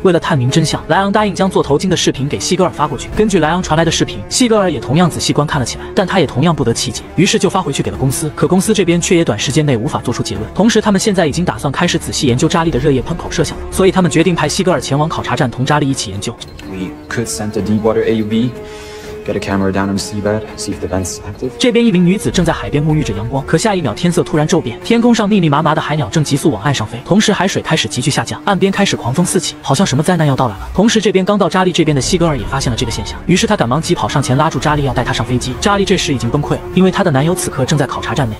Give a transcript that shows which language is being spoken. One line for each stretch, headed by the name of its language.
Chinese: 为了探明真相，莱昂答应将做头巾的视频给西格尔发过去，根据莱昂传来的视频，西格尔也同样仔细观看了起来，但他也同样不得其解，于是就发回去给了公司，可公司这边却也短时间内无法做出结论。同时他们现在已经打算开始仔细研究扎莉的热液喷口设想，所以他们决定派西格尔前往考察站同扎莉一起研究。
English: We could send a deep water AUV. Get a camera down on the seabed, see if the vents active.
Chinese: 这边一名女子正在海边沐浴着阳光，可下一秒天色突然骤变，天空上密密麻麻的海鸟正急速往岸上飞，同时海水开始急剧下降，岸边开始狂风四起，好像什么灾难要到来了。同时这边刚到扎莉这边的西格尔也发现了这个现象，于是他赶忙急跑上前拉住扎莉要带她上飞机。扎莉这时已经崩溃了，因为她的男友此刻正在考察站内。